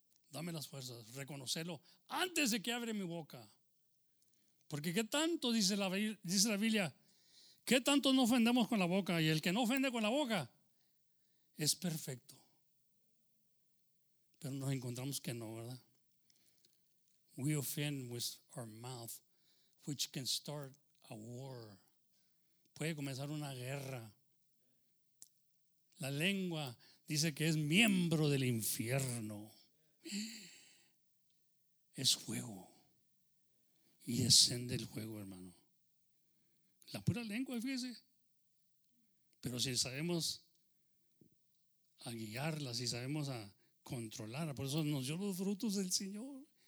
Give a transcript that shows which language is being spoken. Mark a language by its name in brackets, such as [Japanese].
[Spanish] Dame las fuerzas, reconocerlo antes de que abre mi boca. Porque qué tanto, dice la Biblia, qué tanto no ofendemos con la boca, y el que no ofende con la boca es perfecto. Pero nos encontramos que no, ¿verdad? [English] We offend with our mouth, which can start a war. [Spanish] Puede comenzar una guerra. La lengua dice que es miembro del infierno. Es fuego. Y encende el fuego, hermano. La pura lengua, fíjese. Pero si sabemos a guiarla, si sabemos a controlar, por eso nos dio los frutos del Señor.